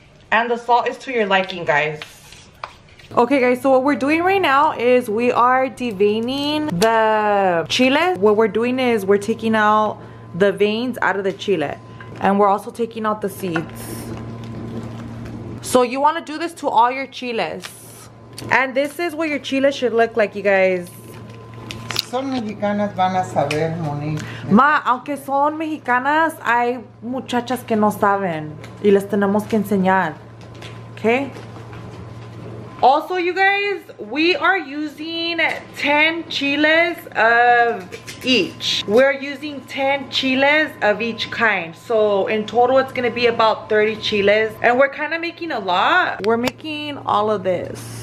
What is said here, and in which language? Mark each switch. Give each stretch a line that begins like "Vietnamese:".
English: And the salt is to your liking, guys. Okay, guys, so what we're doing right now is we are deveining the chile. What we're doing is we're taking out the veins out of the chile. And we're also taking out the seeds. So you want to do this to all your chiles. And this is what your chile should look like, you guys.
Spanish: Son mexicanas van a saber, Monique. Ma, aunque son mexicanas, hay muchachas que no saben. Y les tenemos que enseñar. Okay?
English: Also, you guys, we are using 10 chiles of each. We're using 10 chiles of each kind. So in total, it's going to be about 30 chiles. And we're kind of making a lot. We're making all of this.